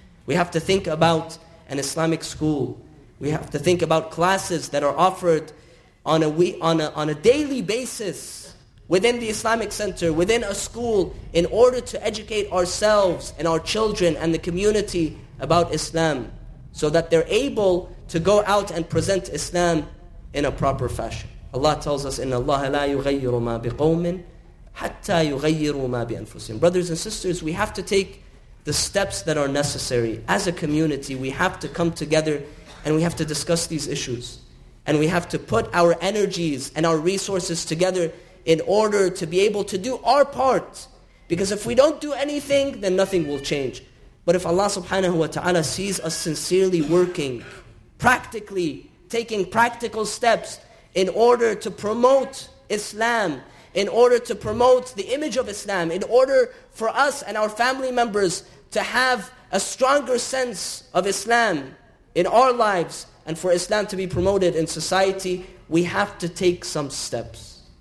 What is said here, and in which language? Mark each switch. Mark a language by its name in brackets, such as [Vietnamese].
[English] We have to think about an Islamic school. We have to think about classes that are offered on a daily basis within the Islamic Center, within a school, in order to educate ourselves and our children and the community about Islam, so that they're able to go out and present Islam in a proper fashion. Allah tells us, [Arabic] إِنَّ اللَّهَ لَا يُغَيِّرُ مَا بِقَوْمٍ حَتَّى يُغَيِّرُ مَا بِأَنفُسِهِمْ. [English] Brothers and sisters, we have to take the steps that are necessary. As a community, we have to come together and we have to discuss these issues. And we have to put our energies and our resources together in order to be able to do our part. Because if we don't do anything, then nothing will change. But if Allah subhanahu wa ta'ala sees us sincerely working, practically, taking practical steps in order to promote Islam, in order to promote the image of Islam, in order for us and our family members to have a stronger sense of Islam in our lives, and for Islam to be promoted in society, we have to take some steps.